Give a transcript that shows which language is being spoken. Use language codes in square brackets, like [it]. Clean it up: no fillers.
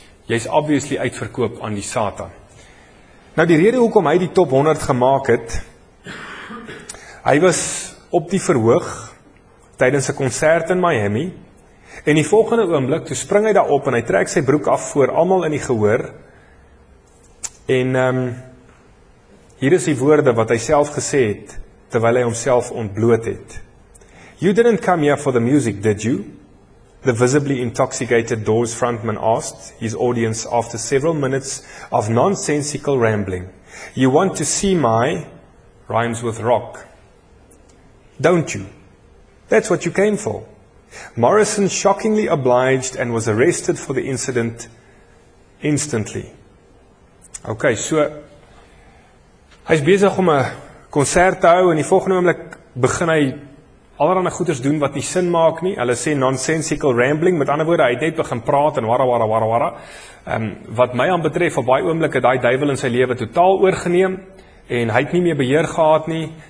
[af] Jy's obviously uitverkoop aan die Satan. Nou die rede hoekom hy die top 100 gemaak het, hy was op die verhoog tydens 'n konsert in Miami en die volgende oomblik toe spring hy daar op en hy trek sy broek af voor almal in die gehoor en hier is die woorde wat hy self gesê het terwyl hy homself ontbloot het. [en] You didn't come here for the music, did you? The visibly intoxicated Doors frontman asked his audience after several minutes of nonsensical rambling. You want to see my, rhymes with rock, don't you? That's what you came for. Morrison shockingly obliged and was arrested for the incident instantly. [af] Okay, so, hy is besig om 'n konsert te hou en die volgende oomblik begin hy allerhande goeders doen wat nie sin maak nie. Hulle sê [en] nonsensical rambling, [af] met ander woorde, hy het net begin praat en warra. Wat my aan betref, op baie oomblik het hy duivel in sy lewe totaal oorgeneem en hy het nie meer beheer gehad nie.